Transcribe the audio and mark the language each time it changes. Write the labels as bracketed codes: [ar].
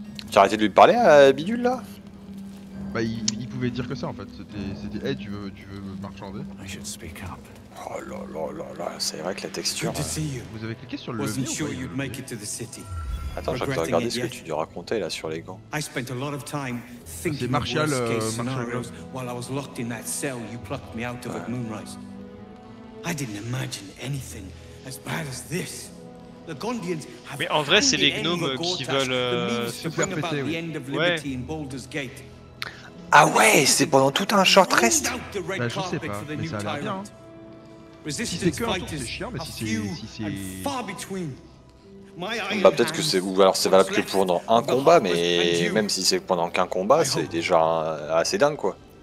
[fr] Tu as arrêté de lui parler à Bidule là? Bah il pouvait dire que ça en fait. C'était hey, tu veux me marchander? Oh là là là là, c'est vrai que la texture. Vous avez cliqué sur le levier ou pas? Attends, je vais te regarder ce que tu lui racontais là sur les gants. [en] I spent a lot of time thinking of worst case scenarios while I was locked in that cell you plucked me out of at moonrise. I didn't imagine anything as bad as this. The Gondians have. [fr] Mais en vrai, c'est les gnomes qui veulent se faire péter. Ouais. Ah ouais, c'est pendant tout un short rest. Bah, je sais pas, mais ça a l'air bien. Hein. Si c'est que un tour, c'est chiant, mais si c'est. Bah, peut-être que c'est. Ou alors c'est valable que pendant un combat, mais même si c'est pendant qu'un combat, c'est déjà assez dingue quoi.